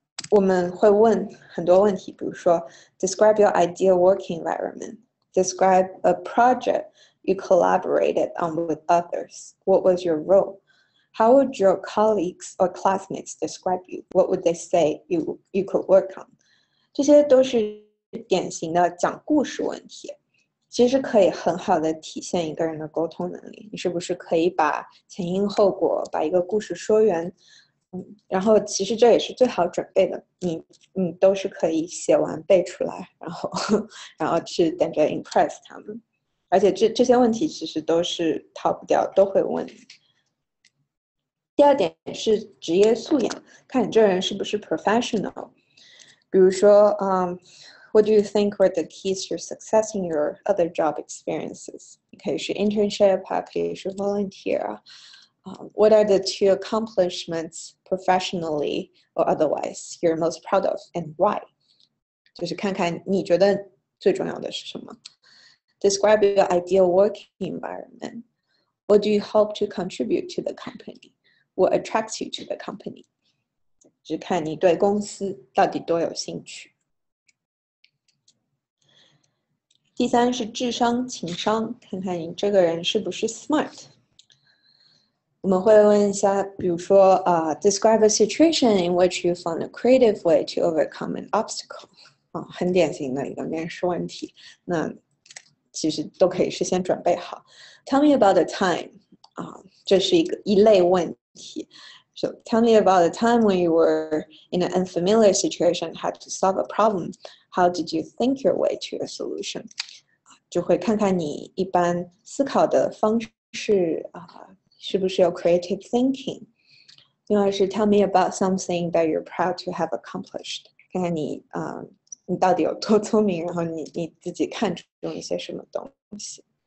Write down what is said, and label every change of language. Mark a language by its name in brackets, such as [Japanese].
[Chinese] 我们会问很多问题，比如说 [English] describe your ideal working environment, describe a project you collaborated on with others, what was your role, how would your colleagues or classmates describe you, what would they say you could work on? [Chinese] 这些都是典型的讲故事问题，其实可以很好的体现一个人的沟通能力，你是不是可以把前因后果把一个故事说圆，然后其实这也是最好准备的，你都是可以写完背出来，然后去等着 impress 他们，而且这些问题其实都是逃不掉，都会问。第二点是职业素养，看你这人是不是 professional， 比如说 [English] What do you think were the keys to your success in your other job experiences? [Chinese] 你可以是 internship, 还可以是 volunteer. [English] What are the two accomplishments professionally or otherwise you're most proud of and why? [Chinese] 就是看看你觉得最重要的是什么。 [English] Describe your ideal working environment. What do you hope to contribute to the company? What attracts you to the company? [Chinese] 就看你对公司到底多有兴趣。第三是智商情商，看看你这个人是不是 smart。我们会问一下，比如说 [English] describe a situation in which you found a creative way to overcome an obstacle、 [Chinese] 很典型的一个面试问题，那其实都可以事先准备好。 [English] Tell me about a time、 [Chinese] 这是一类问题。 [English] So tell me about a time when you were in an unfamiliar situation, had to solve a problemHow did you think your way to a solution? [Chinese] 就会看看你一般思考的方式、是不是有 creative thinking? 另外是 [English] tell me about something that you're proud to have accomplished. [Chinese] 看看你、你到底有多聪明，然后 你自己看中一些什么东西。